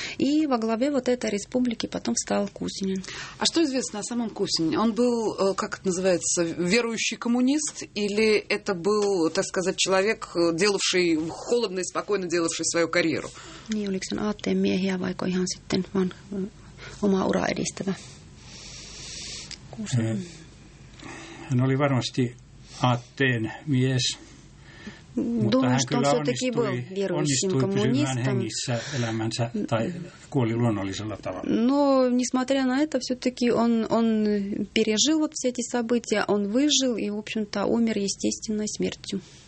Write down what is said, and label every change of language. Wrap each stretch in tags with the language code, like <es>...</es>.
<ru>И во главе вот этой республики потом стал Кусинин. А что известно о самом Кусинине? Он был, как это называется, верующий коммунист? Или это был, так сказать, человек, делавший, холодно и спокойно делавший свою карьеру?</ru> <fi>Niin, oliko sen aatteen miehiä, vaiko ihan sitten vaan omaa uraa edistävä? Hän oli varmasti aatteen mies, mutta hän kyllä onnistui pysymään hengissä elämänsä tai kuoli luonnollisella tavalla.</fi> <ru>No, несмотря на это, все-таки он пережил вот все эти события, он выжил и, в общем-то, умер естественной смертью.</ru>